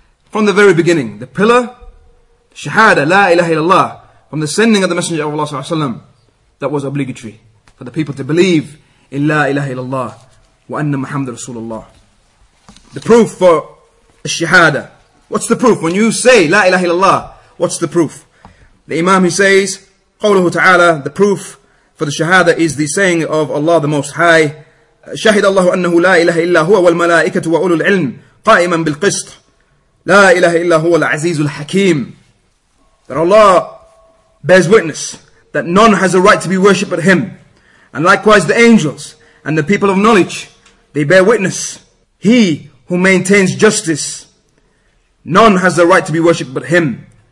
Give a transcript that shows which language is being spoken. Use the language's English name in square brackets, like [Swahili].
[English] From the very beginning, the pillar, shahada, la ilaha illallah, from the sending of the Messenger of Allah sallallahu alaihi wasallam, that was obligatory for the people to believe in la ilaha illallah wa anna Muhammad Rasulullah. The proof for shahada. What's the proof? When you say la ilaha illallah, what's the proof? The Imam, he says, qawluhu ta'ala, the proof for the shahada is the saying of Allah the Most High, [Arabic] شهد الله أنه لا إله إلا هو والملائكة وأولو العلم قائما بالقسط لا إله إلا هو العزيز الحكيم. [English] That Allah bears witness that none has a right to be worshipped but Him. And likewise the angels and the people of knowledge, they bear witness. He who maintains justice, none has the right to be worshipped but Him.